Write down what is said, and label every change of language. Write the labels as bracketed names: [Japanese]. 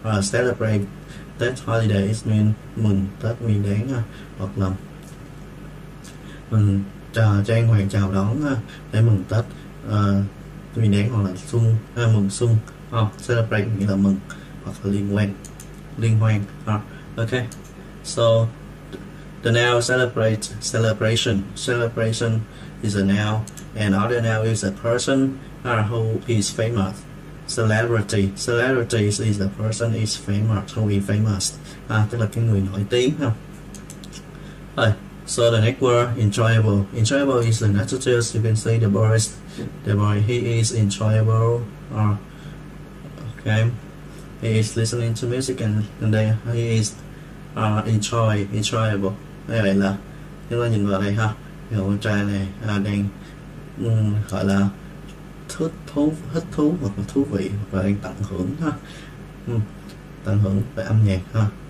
[English] Celebrate that holiday is mean [Vietnamese] mừng Tết Nguyên Đán hoặc là mừng trang hoàng chào đón để mừng Tết Nguyên Đán hoặc là xuân mừng xuân. Celebrate nghĩa là mừng hoặc là liên hoan. [English] Okay. So the noun celebrate, celebration. Celebration is a noun, and other noun is a person who is famous. Celebrity. Celebrity is the person is famous, who is famous. [Vietnamese] Tức là cái người nổi tiếng. [English] Alright, so the next word, enjoyable. Enjoyable is an adjective. You can say the boy, he is enjoyable. Okay, he is listening to music and then he is enjoyable. [Vietnamese] Như vậy là chúng ta nhìn vào đây ha, người con trai này đang gọi là thích thú hoặc là thú vị hoặc là đang tận hưởng ha, tận hưởng về âm nhạc ha.